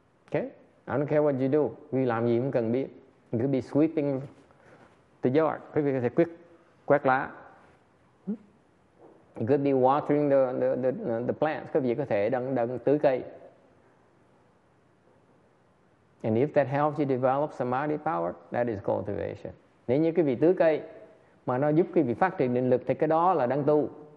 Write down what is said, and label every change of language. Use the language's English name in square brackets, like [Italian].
[English] Okay, I don't care what you do. [Vietnamese] Quý vị làm gì cũng cần biết. [English] You could be sweeping the yard. [Vietnamese] Quý vị có thể quét lá. [English] You could be watering the plants. [Vietnamese] Quý vị có thể đang tưới cây. [English] And if that helps you develop samadhi power, that is cultivation. [Vietnamese] Nếu như quý vị tưới cây mà nó giúp quý vị phát triển định lực thì cái đó là đang tu.